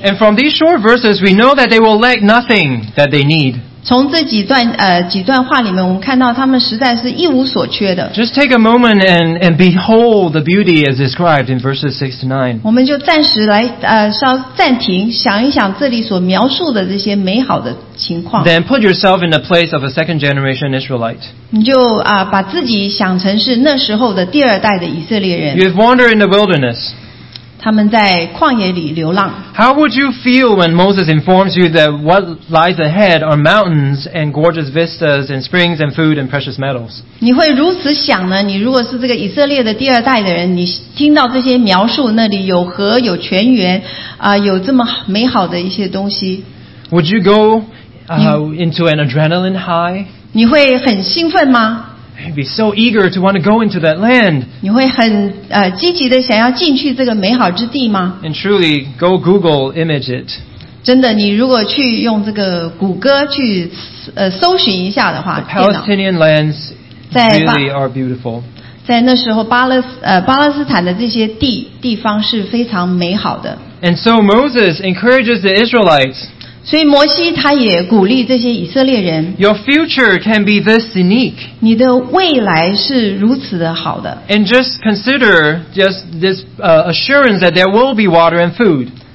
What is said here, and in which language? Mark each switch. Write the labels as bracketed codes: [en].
[en] and from these short verses, we know that they will lack nothing that they need. [zh] 从这几段话里面我们看到他们实在是一无所缺的。 [en] Just take a moment and behold the beauty as described in verses 6 to 9. [zh] 我们就暂时来稍暂停想一想这里所描述的这些美好的情况。 [en] Then put yourself in the place of a second generation Israelite. [zh] 你就把自己想成是那时候的第二代的以色列人。 [en] You have wandered in the wilderness. [zh] 他们在旷野里流浪。 [en] How would you feel when Moses informs you that what lies ahead are mountains and gorgeous vistas and springs and food and precious metals? [zh] 你会如此想呢? 你如果是这个以色列的第二代的人, 你听到这些描述, 那里有河,有泉源, 有这么美好的一些东西。 [en] Would you go into an adrenaline high? [zh] 你会很兴奋吗? [en] You'd be so eager to want to go into that land. [zh] 你会很积极地想要进去这个美好之地吗? [en] And truly, go Google image it. [zh] 真的,你如果去用这个谷歌去搜寻一下的话, [en] the Palestinian lands really are beautiful. [zh] 在那时候巴勒斯坦的这些地方是非常美好的。 [en] And so Moses encourages the Israelites. [zh] 所以摩西他也鼓励这些以色列人, [en] your future can be this unique. [zh] 你的未来是如此的好的。 [en] And just consider just this assurance that there will be water and food.